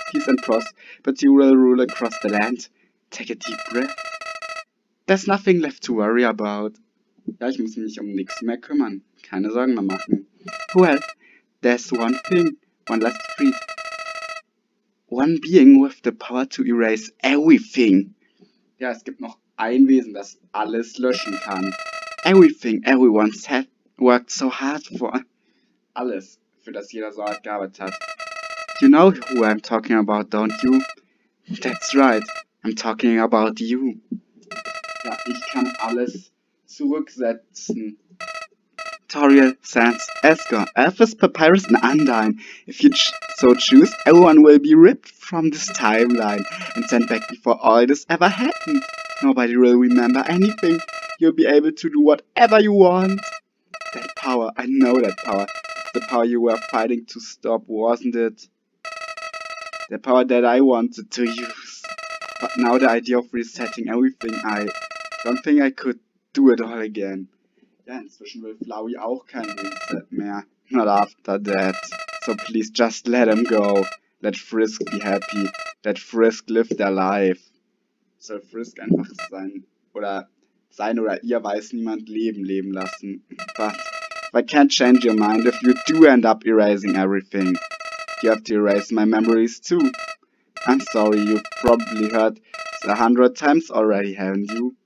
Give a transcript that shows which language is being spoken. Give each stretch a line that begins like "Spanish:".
English: Peace and pros, but you will rule across the land. Take a deep breath. There's nothing left to worry about.
German: Ja, ich muss mich um nichts mehr kümmern. Keine Sorgen mehr machen.
English: Well, there's one thing. One last treat. One being with the power to erase everything.
German: Ja, es gibt noch ein Wesen, das alles löschen kann.
English: Everything everyone's had worked so hard for.
German: Alles, für das jeder so hart gearbeitet hat.
English: You know who I'm talking about, don't you? That's right, I'm talking about you.
German: Ja, ich kann alles zurücksetzen. Toriel, Sans, Asgore, Alphys, Papyrus und Undyne.
English: If you ch so choose, everyone will be ripped from this timeline and sent back before all this ever happened. Nobody will remember anything. You'll be able to do whatever you want. That power, I know that power. The power you were fighting to stop, wasn't it? The power that I wanted to use. But now the idea of resetting everything, I don't think I could do it all again.
German: Ja, inzwischen will Flowey auch kein Reset mehr.
English: Not after that. So please just let him go. Let Frisk be happy. Let Frisk live their life.
German: Soll Frisk einfach sein oder ihr weiß niemand leben lassen.
English: But I can't change your mind if you do end up erasing everything. You have to erase my memories too. I'm sorry, you've probably heard this 100 times already, haven't you?